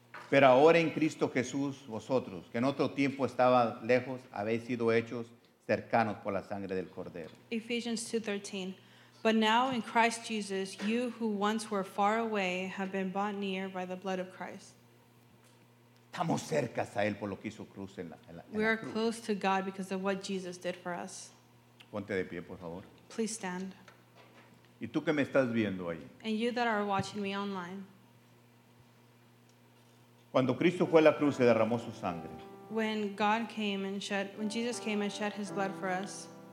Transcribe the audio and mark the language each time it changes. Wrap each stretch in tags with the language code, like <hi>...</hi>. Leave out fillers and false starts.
<es>Pero ahora en Cristo Jesús vosotros, que en otro tiempo estaba lejos, habéis sido hechos cercanos por la sangre del Cordero.</es> <en>Ephesians 2:13. But now in Christ Jesus, you who once were far away have been brought near by the blood of Christ.</en> <es>Estamos cerca a Él por lo que hizo cruz en la cruz.</es> <en>We are close to God because of what Jesus did for us.</en> <es>Ponte de pie, por favor.</es> <en>Please stand.</en> <es>Y tú que me estás viendo ahí.</es> <en>And you that are watching me online.</en> <es>Cuando Cristo fue a la cruz, se derramó su sangre.</es> <en>When Jesus came and shed his blood for us.</en>